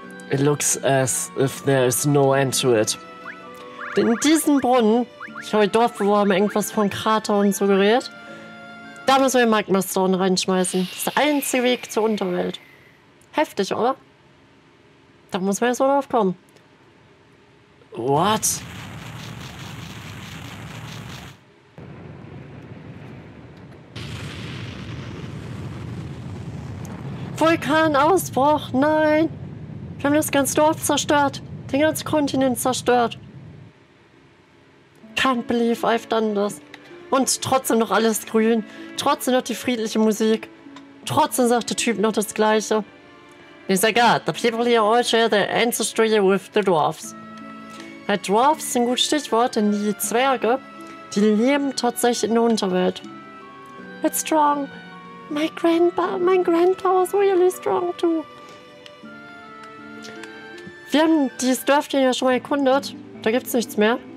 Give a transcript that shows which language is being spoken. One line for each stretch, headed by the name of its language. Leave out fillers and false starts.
English: It looks as if there is no end to it.
German: In diesem Brunnen, ich glaube, dort, wo haben wir irgendwas von Krater und so geredet, da müssen wir den Magma Stone reinschmeißen. Das ist der einzige Weg zur Unterwelt. Heftig, oder? Da muss man jetzt mal drauf kommen.
English: What?
German: Vulkanausbruch, nein! Wir haben das ganze Dorf zerstört. Den ganzen Kontinent zerstört.
English: Can't believe I've done this.
German: Und trotzdem noch alles grün. Trotzdem noch die friedliche Musik. Trotzdem sagt der Typ noch das Gleiche.
English: It's a god. The people here all share their ancestry with the dwarfs.
German: Ja, dwarfs ist ein gutes Stichwort, denn die Zwerge, die leben tatsächlich in der Unterwelt.
English: It's strong. Mein Grandpa was really strong too.
German: Wir haben dieses Dörfchen ja schon mal erkundet. Da gibt's nichts mehr.